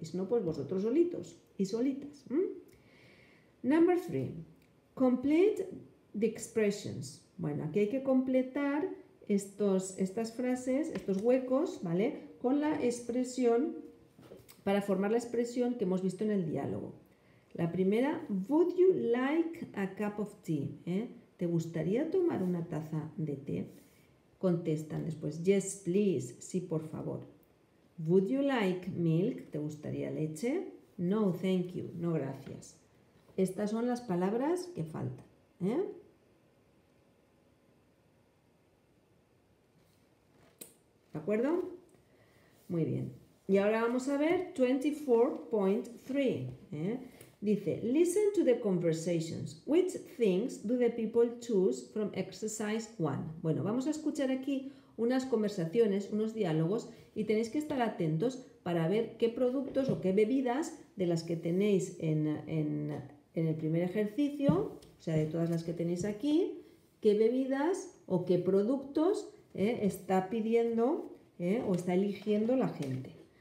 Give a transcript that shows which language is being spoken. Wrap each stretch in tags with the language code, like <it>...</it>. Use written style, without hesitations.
<es>Y si no, pues vosotros solitos y solitas. Number three.</es> <en>Complete the expressions.</en> <es>Bueno, aquí hay que completar estas frases, estos huecos, ¿vale? Con la expresión, para formar la expresión que hemos visto en el diálogo. La primera,</es> <en>would you like a cup of tea?</en> <es>¿Te gustaría tomar una taza de té? Contestan después,</es> <en>yes, please,</en> <es>sí, por favor.</es> <en>Would you like milk?</en> <es>¿Te gustaría leche?</es> <en>No, thank you,</en> <es>no, gracias. Estas son las palabras que faltan. ¿De acuerdo? Muy bien. Y ahora vamos a ver 24.3.</es> <en>Dice, listen to the conversations. Which things do the people choose from exercise 1?</en> <es>Bueno, vamos a escuchar aquí unas conversaciones, unos diálogos, y tenéis que estar atentos para ver qué productos o qué bebidas de las que tenéis en el primer ejercicio, o sea, de todas las que tenéis aquí, qué bebidas o qué productos está pidiendo o está eligiendo la gente.</es>